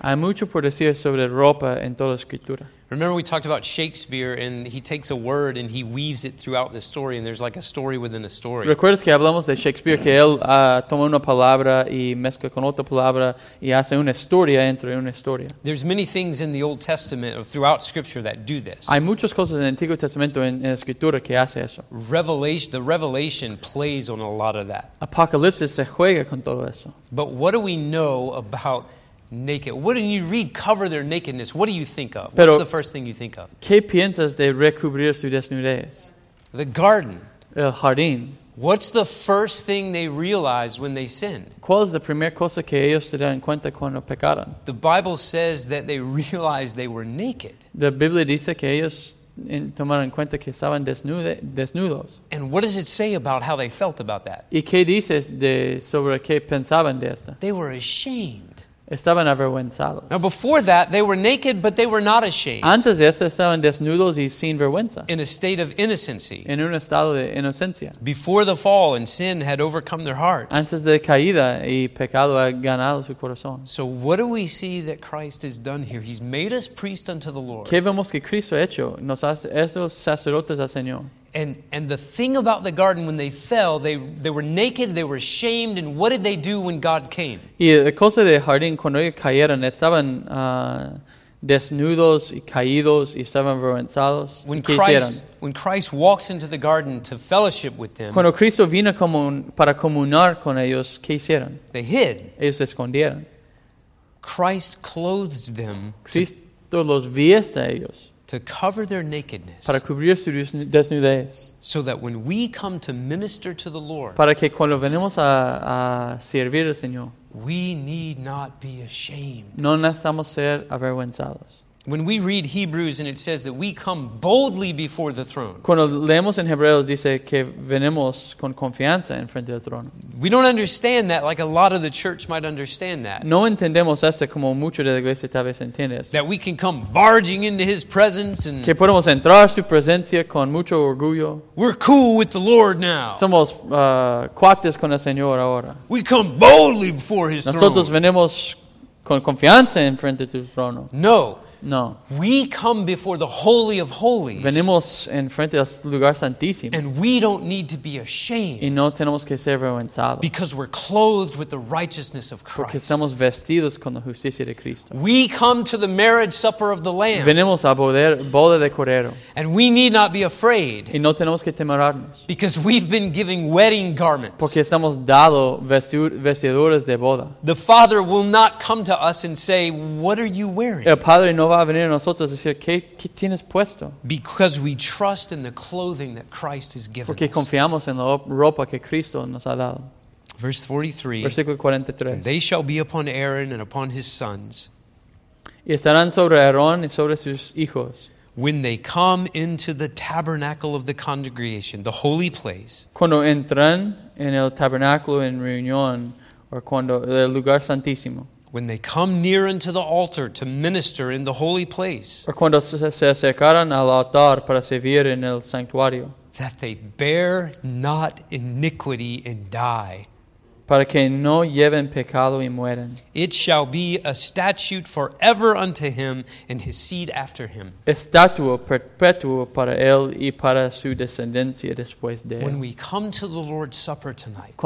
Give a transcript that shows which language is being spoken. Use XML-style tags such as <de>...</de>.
<es>Hay mucho por decir sobre ropa en toda la Escritura.</es> <en>Remember, we talked about Shakespeare, and he takes a word and he weaves it throughout the story, and there's like a story within a story.</en> <es>¿Recuerdas que hablamos de Shakespeare, que él toma una palabra y mezcla con otra palabra y hace una historia entre una historia?</es> <en>There's many things in the Old Testament or throughout Scripture that do this.</en> <es>Hay muchas cosas en el Antiguo Testamento en la Escritura que hace eso.</es> <en>The revelation plays on a lot of that.</en> <es>Apocalipsis se juega con todo eso.</es> <en>But what do we know about naked? What do you read? Cover their nakedness. What do you think of?</en> <es>Pero</es> <en>what's the first thing you think of?</en> <es>¿Qué piensas de recubrir su desnudez?</es> <en>The garden.</en> <es>El jardín.</es> <en>What's the first thing they realized when they sinned?</en> <es>¿Cuál es la primera cosa que ellos se dan cuenta cuando pecaron?</es> <en>The Bible says that they realized they were naked.</en> <es>La Biblia dice que ellos tomaron cuenta que estaban desnudos.</es> <en>And what does it say about how they felt about that?</en> <es>¿Y qué dices sobre qué pensaban de esto?</es> <en>They were ashamed.</en> <es>estaban avergonzados.</es> <en>Now before that, they were naked, but they were not ashamed.</en> <es>Antes de eso, estaban desnudos y sin vergüenza.</es> <en>In a state of innocency.</en> <es>En un estado de inocencia.</es> <en>Before the fall and sin had overcome their heart.</en> <es>Antes de caída y pecado ha ganado su corazón.</es> <en>So what do we see that Christ has done here? He's made us priests unto the Lord.</en> <es>¿Qué vemos que Cristo ha hecho? Nos hace esos sacerdotes al Señor.</es> <en>And the thing about the garden when they fell, they were naked, they were ashamed, and what did they do when God came?</en> <es>Y la cosa del jardín, cuando ellos cayeron, estaban desnudos y caídos y estaban avergonzados.</es> <en>When Christ walks into the garden to fellowship with them,</en> <es>cuando Cristo vino para comunar con ellos, ¿qué hicieron?</es> <en>They hid.</en> <es>Ellos se escondieron.</es> <en>Christ clothes them.</en> <es>Cristo los viste a ellos.</es> <en>To cover their nakedness.</en> <es>Para cubrir su desnudez.</es> <en>So that when we come to minister to the Lord.</en> <es>Para que cuando venimos a servir al Señor.</es> <en>We need not be ashamed.</en> <es>No necesitamos ser avergonzados.</es> <en>When we read Hebrews and it says that we come boldly before the throne.</en> <es>Cuando leemos en Hebreos dice que venimos con confianza en frente del trono.</es> <en>We don't understand that like a lot of the church might understand that.</en> <es>No entendemos esto como mucho de la iglesia tal vez entiende esto.</es> <en>That we can come barging into His presence and</en> <es>que podemos entrar a su presencia con mucho orgullo.</es> <en>We're cool with the Lord now.</en> <es>Somos cuates con el Señor ahora.</es> <en>We come boldly before His</en> <es>Nosotros</es> <en>throne.</en> <es>Nosotros venimos con confianza en frente del trono.</es> <en>No.</en> <es>No.</es> <en>We come before the Holy of Holies.</en> <es>Venimos en frente al lugar santísimo.</es> <en>And we don't need to be ashamed.</en> <es>Y no tenemos que ser avergonzados.</es> <en>Because we're clothed with the righteousness of Christ.</en> <es>Porque estamos vestidos con la justicia de Cristo.</es> <en>We come to the marriage supper of the Lamb.</en> <es>Venimos a boda de Cordero.</es> <en>And we need not be afraid.</en> <es>Y no tenemos que temerarnos.</es> <en>Because we've been given wedding garments.</en> <es>Porque estamos dado vestiduras de boda.</es> <en>The Father will not come to us and say, "What are you wearing?"</en> <es>El Padre no va a venir a nosotros a decir ¿qué tienes puesto?</es> <en>Because we trust in the clothing that Christ has given</en> <es>porque confiamos en la ropa que Cristo nos ha dado.</es> <en>Verse 43.</en> <es>Versículo 43.</es> <en>And they shall be upon Aaron and upon his sons.</en> <es>Y estarán sobre Aarón y sobre sus hijos.</es> <en>When they come into the tabernacle of the congregation, the holy place.</en> <es>Cuando entran en el tabernáculo en reunión o cuando el lugar santísimo.</es> <en>When they come near unto the altar to minister in the holy place.</en> <es>O cuando se acercaran al altar para servir en el santuario.</es> <en>That they bear not iniquity and die.</en> <es>Para que no lleven pecado y mueren.</es> <en>It shall be a statute forever unto him and his seed after him.</en> <es>Estatuto perpetuo para él y para su descendencia después de él.</es> <en>When we come to the Lord's Supper tonight.</en>